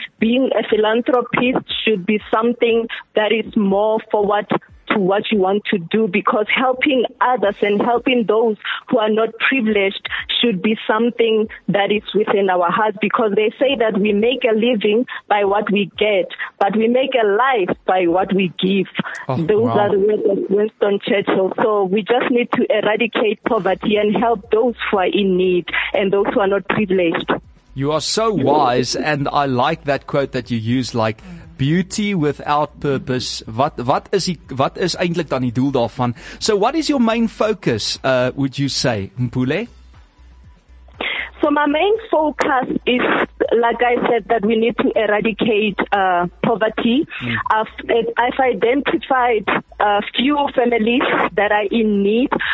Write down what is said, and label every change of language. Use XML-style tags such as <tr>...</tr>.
<en>Being a philanthropist should be something that is more for what you want to do, because helping others and helping those who are not privileged should be something that is within our hearts, because they say that we make a living by what we get, but we make a life by what we give. Oh, those are the words of Winston Churchill. So we just need to eradicate poverty and help those who are in need and those who are not privileged. You are so wise, and I like that quote that you use, like, beauty without purpose.</en> <af>What is eintlik dan die doel daarvan?</af> <en>So what is your main focus, would you say, Mpule? So my main focus is, like I said, that we need to eradicate poverty. I've identified a few families that are in need.</en>